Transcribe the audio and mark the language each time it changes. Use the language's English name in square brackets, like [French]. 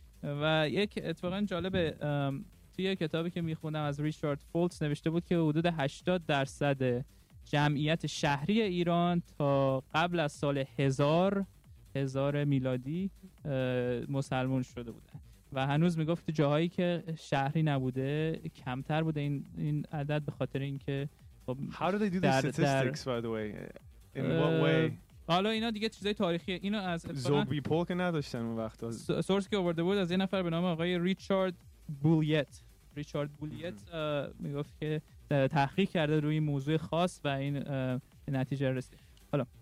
[Persian] و یک اتفاقا جالب، یه کتابی که میخوندم از ریچارد فولتس نوشته بود که حدود 80% جمعیت شهری ایران تا قبل از سال 1000 میلادی مسلمان شده بودن و هنوز میگفت جاهایی که شهری نبوده کمتر بوده این عدد، به خاطر اینکه خب [English] How do they do the statistics, by the way? In what way? [Persian] حالا اینا دیگه چیزای تاریخیه، اینو از زوبی پول که نداشتن اون وقتا، سورس که آورده بود از یه نفر به نام آقای ریچارد بولیت. ریچارد بولیت میگفت که تحقیق کرده روی موضوع خاص و این نتیجه رسید. حالا